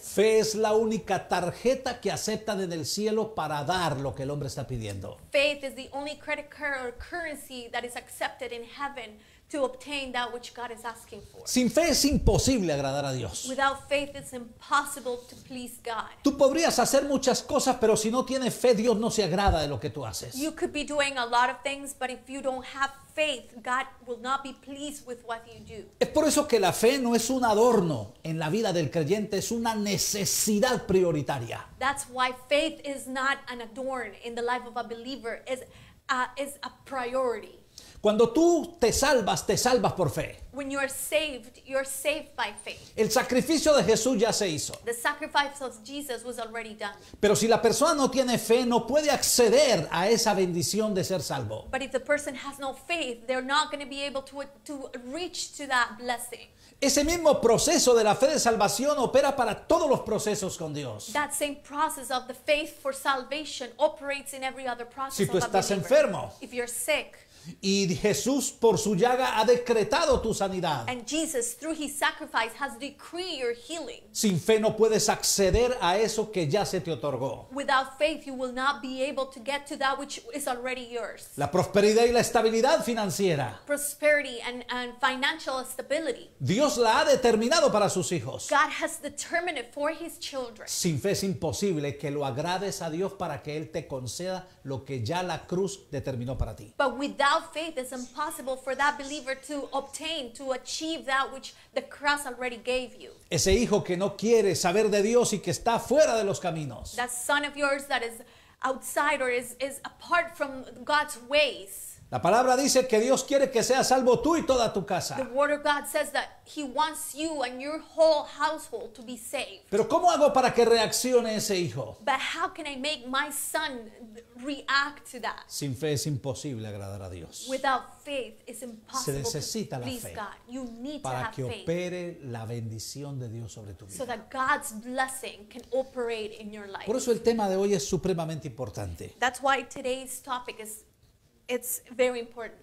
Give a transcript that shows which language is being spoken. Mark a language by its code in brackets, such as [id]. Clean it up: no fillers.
[es] Fe es la única tarjeta que aceptan en el cielo para dar lo que el hombre está pidiendo. [en] Faith is the only credit card or currency that is accepted in heaven to obtain that which God is asking for. [es] Sin fe es imposible agradar a Dios. [en] Without faith it's impossible to please God. [es] Tú podrías hacer muchas cosas, pero si no tienes fe, Dios no se agrada de lo que tú haces. [en] You could be doing a lot of things, but if you don't have faith, God will not be pleased with what you do. [es] Es por eso que la fe no es un adorno en la vida del creyente, es una necesidad prioritaria. [en] That's why faith is not an adorn in the life of a believer, is a priority. [es] Cuando tú te salvas por fe. [en] When you are saved, you're saved by faith. [es] El sacrificio de Jesús ya se hizo. [en] The sacrifice of Jesus was already done. [es] Pero si la persona no tiene fe, no puede acceder a esa bendición de ser salvo. [en] But if the person has no faith, they're not going to be able to reach to that blessing. [es] Ese mismo proceso de la fe de salvación opera para todos los procesos con Dios. [en] That same process of the faith for salvation operates in every other process. [es] Si tú estás enfermo. [en] If you're sick. [es] Y Jesús por su llaga ha decretado tu sanidad. [en] And Jesus through his sacrifice has decreed your healing. [es] Sin fe no puedes acceder a eso que ya se te otorgó. [en] Without faith you will not be able to get to that which is already yours. [es] La prosperidad y la estabilidad financiera. [en] Prosperity and financial stability. [es] Dios la ha determinado para sus hijos. [en] God has determined it for his children. [es] Sin fe es imposible que lo agrades a Dios para que él te conceda lo que ya la cruz determinó para ti. [en] But without faith, it's impossible for that believer to obtain, to achieve that which the cross already gave you. [es] Ese hijo que no quiere saber de Dios y que está fuera de los caminos. [en] That son of yours that is outside or is apart from God's ways. [es] La palabra dice que Dios quiere que seas salvo tú y toda tu casa. [en] The word of God says that he wants you and your whole household to be saved. [es] Pero ¿cómo hago para que reaccione ese hijo? [en] But how can I make my son react to that? [es] Sin fe es imposible agradar a Dios. [en] Without faith, it's impossible. [es] Se necesita [en] to [es] la [en] please [es] fe [en] God. You need [es] para [en] to have [es] que opere [en] faith [es] la bendición de Dios sobre tu vida. [en] So that God's blessing can operate in your life. [es] Por eso el tema de hoy es supremamente importante. [en] That's why today's topic is it's very important.